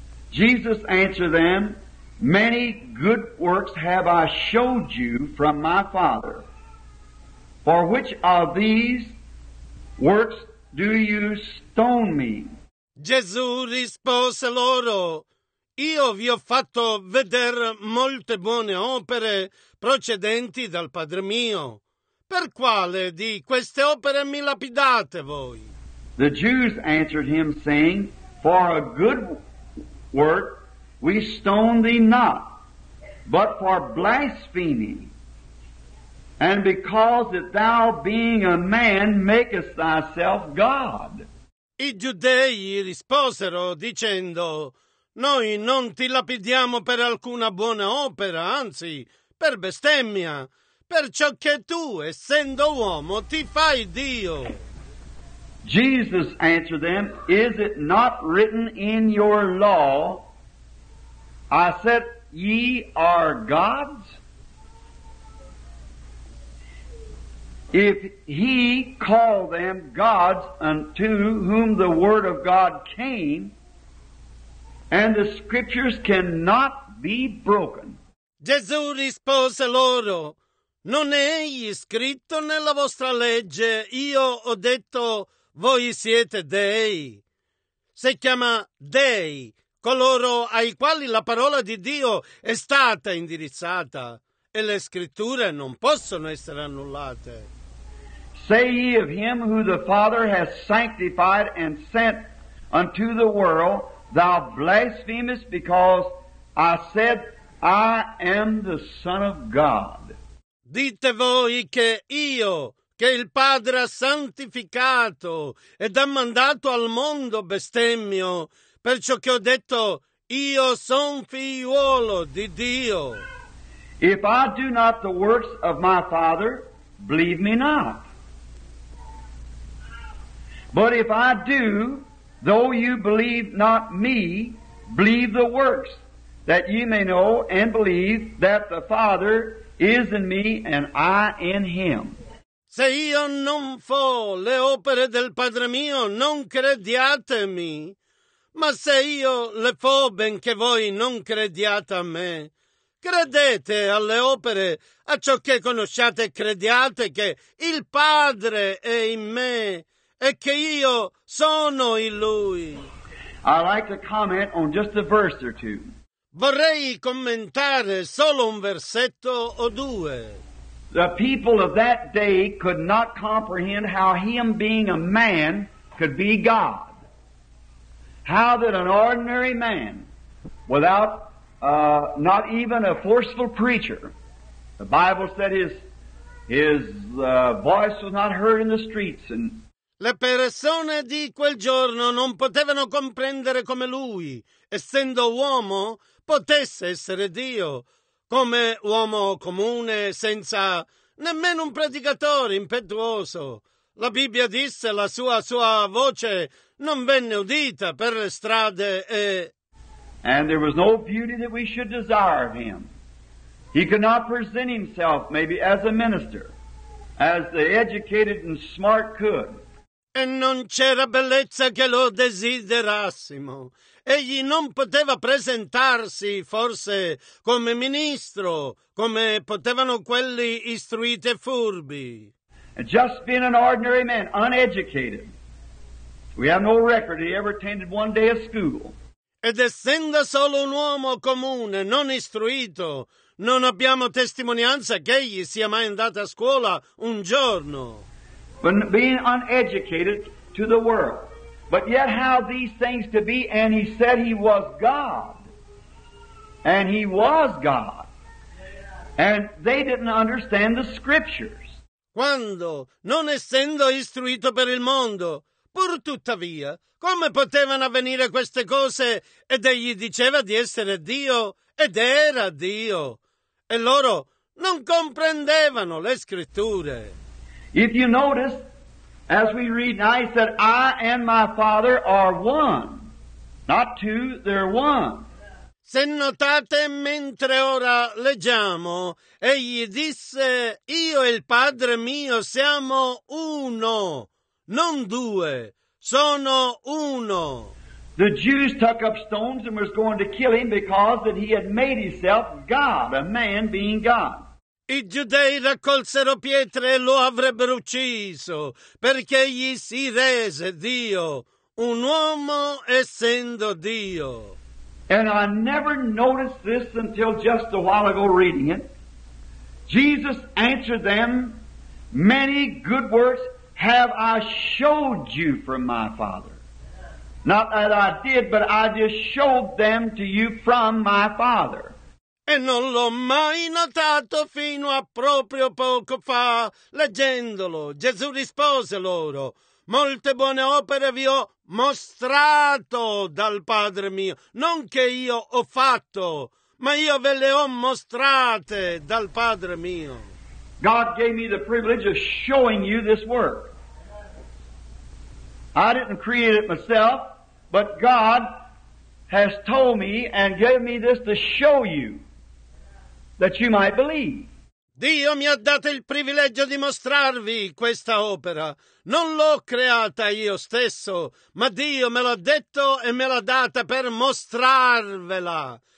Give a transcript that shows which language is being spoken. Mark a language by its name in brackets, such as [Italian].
[English] Jesus answered them, "Many good works have I showed you from my Father. For which of these works do you stone me?" [Italian] Gesù rispose loro, "Io vi ho fatto vedere molte buone opere procedenti dal Padre mio. Per quale di queste opere mi lapidate voi?" [English] The Jews answered him, saying, "For a good work we stone thee not, but for blasphemy, and because that thou, being a man, makest thyself God." [Italian] I giudei risposero dicendo, "Noi non ti lapidiamo per alcuna buona opera, anzi, per bestemmia, perciò che tu, essendo uomo, ti fai Dio." [English] Jesus answered them, "Is it not written in your law, I said, ye are gods? If he called them gods unto whom the word of God came, and the scriptures cannot be broken. [Italian] Gesù rispose loro, non è egli scritto nella vostra legge, io ho detto, voi siete dei. Si chiama dei coloro ai quali la parola di Dio è stata indirizzata e le scritture non possono essere annullate. [English] Say ye of him who the Father has sanctified and sent unto the world, thou blasphemest because I said, I am the Son of God. [Italian] Dite voi che io, che il Padre ha santificato ed ha mandato al mondo, bestemmio, perciò che ho detto, io son figliuolo di Dio. [English] If I do not the works of my Father, believe me not. But if I do, though you believe not me, believe the works, that ye may know and believe that the Father is in me and I in him. [Italian] Se io non fo le opere del Padre mio, non crediatemi. Ma se io le fo, benché voi non crediate a me, credete alle opere, a ciò che conosciate, crediate che il Padre è in me e che io sono in Lui. [English] I like to comment on just a verse or two. [Italian] Vorrei commentare solo un versetto o due. [English] The people of that day could not comprehend how him being a man could be God. How that an ordinary man, without not even a forceful preacher, the Bible said his voice was not heard in the streets. And [Italian] le persone di quel giorno non potevano comprendere come lui, essendo uomo, potesse essere Dio. Come uomo comune, senza nemmeno un predicatore impetuoso. La Bibbia disse la sua voce non venne udita per le strade e... [English] And there was no beauty that we should desire of him. He could not present himself maybe as a minister, as the educated and smart could. [Italian] E non c'era bellezza che lo desiderassimo. Egli non poteva presentarsi, forse, come ministro, come potevano quelli istruiti e furbi. [English] Just being an ordinary man, uneducated. We have no record he ever attended one day of school. [Italian] Ed essendo solo un uomo comune, non istruito, non abbiamo testimonianza che egli sia mai andato a scuola un giorno. [English] But being uneducated to the world. But yet how these things to be, and he said he was God. And he was God. And they didn't understand the scriptures. [Italian] Quando, non essendo istruito per il mondo, pur tuttavia, come potevano avvenire queste cose, ed egli diceva di essere Dio, ed era Dio. E loro non comprendevano le scritture. [English] If you notice, as we read now, he said, I and my Father are one. Not two, they're one. [Italian] Se notate, mentre ora leggiamo, egli disse, io e il Padre mio siamo uno, non due, sono uno. [English] The Jews took up stones and was going to kill him because that he had made himself God, a man being God. [Italian] I giudei raccolsero pietre e lo avrebbero ucciso, perché gli si rese Dio, un uomo essendo Dio. [English] And I never noticed this until just a while ago reading it. Jesus answered them, many good works have I showed you from my Father. Not that I did, but I just showed them to you from my Father. [Italian] E non l'ho mai notato fino a proprio poco fa, leggendolo. Gesù rispose loro, molte buone opere vi ho mostrato dal Padre mio, non che io ho fatto, ma io ve le ho mostrate dal Padre mio. [English] God gave me the privilege of showing you this work. I didn't create it myself, but God has told me and gave me this to show you. That you might believe. [Italian] Dio mi ha dato il privilegio di mostrarvi questa opera. Non l'ho creata io stesso, ma Dio me l'ha detto e me l'ha data per mostrarvela,